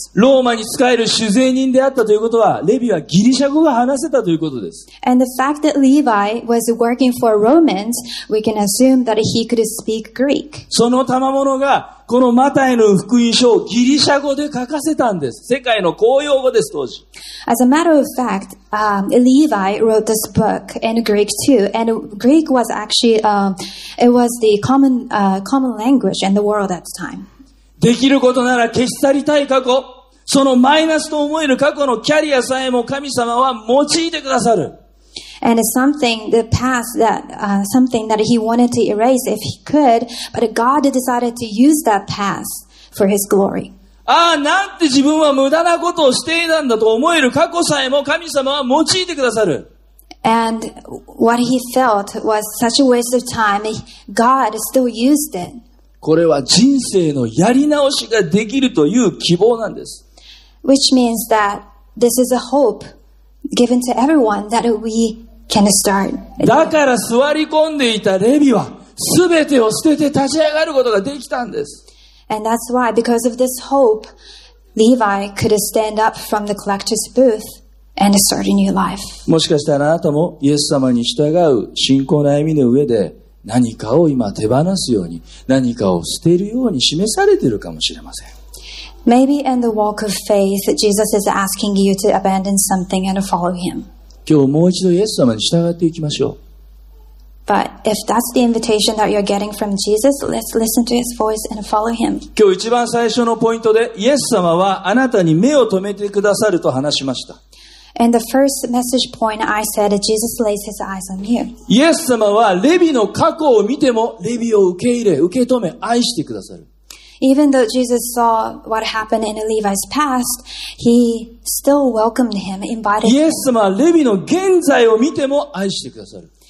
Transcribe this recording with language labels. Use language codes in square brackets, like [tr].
[ja] ローマに仕える主税人であったということは、レビはギリシャ語が話せたということです。 [en] And the fact that Levi was working for Romans, we can assume that he could speak Greek. [ja] その賜物がこのマタイの福音書をギリシャ語で書かせたんです。世界の公用語です、当時。 [en] As a matter of fact, Levi wrote this book in Greek too, and Greek was actually, it was the common language in the world at the time. [ja] できることなら消し去りたい過去、そのマイナスと思える過去のキャリアさえも神様は用いてくださる。 [en] And something, the past that, something that he wanted to erase if he could, but God decided to use that past for his glory. [ja] ああ、なんて自分は無駄なことをしていたんだと思える過去さえも神様は用いてくださる。 [en] And what he felt was such a waste of time, God still used it. [ja] これは人生のやり直しができるという希望なんです。 [en] Which means that this is a hope given to everyone that we can start. [ja] だから座り込んでいたレビは全てを捨てて立ち上がることができたんです。 [en] And that's why, because of this hope, Levi could stand up from the collector's booth and start a new life. [ja] もしかしたらあなたもイエス様に従う信仰の歩みの上で何かを今手放すように、何かを捨てるように示されているかもしれません。 [en] Maybe in the walk of faith, Jesus is asking you to abandon something and follow him. [ja] 今日もう一度イエス様に従っていきましょう。 [en] But if that's the invitation that you're getting from Jesus, let's listen to his voice and follow him. [ja] 今日一番最初のポイントで、イエス様はあなたに目を留めてくださると話しました。 [en] In the first message point, I said Jesus lays his eyes on you. [ja] イエス様はレビの過去を見てもレビを受け入れ、受け止め、愛してくださる。 [en] Even though Jesus saw what happened in Levi's past, he still welcomed him, invited him. [ja] イエス様はレビの現在を見ても愛してくださる。